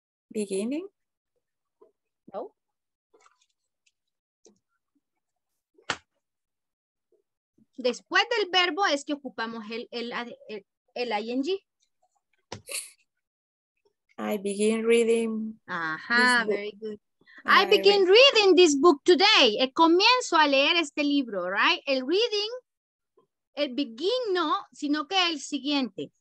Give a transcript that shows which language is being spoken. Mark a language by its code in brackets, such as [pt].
[en] Beginning. [es] después del verbo es que ocupamos el ing. [en] I begin reading. Ajá, very good. I begin reading this book today. [es] Comienzo a leer este libro, [en] right? [es] El reading, el begin no, sino que el siguiente.